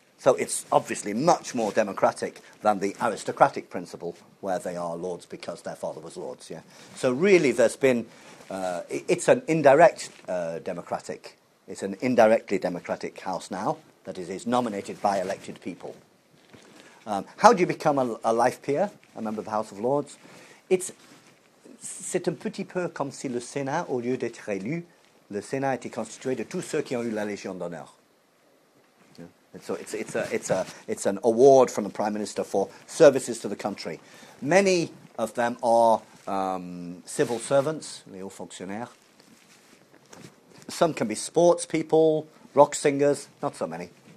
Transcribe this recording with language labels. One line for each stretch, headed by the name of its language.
English: So it's obviously much more democratic than the aristocratic principle where they are lords because their father was lords. Yeah. So really there's been... it's an indirect democratic. It's an indirectly democratic house now that it is nominated by elected people. How do you become a life peer, a member of the House of Lords? It's...
French: C'est un petit peu comme si le Sénat, au lieu d'être élu, le Sénat était constitué de tous ceux qui ont eu la Légion d'honneur.
English: So it's an award from the Prime Minister for services to the country. Many of them are civil servants,
French: les hauts fonctionnaires.
English: Some can be sports people, rock singers, not so many.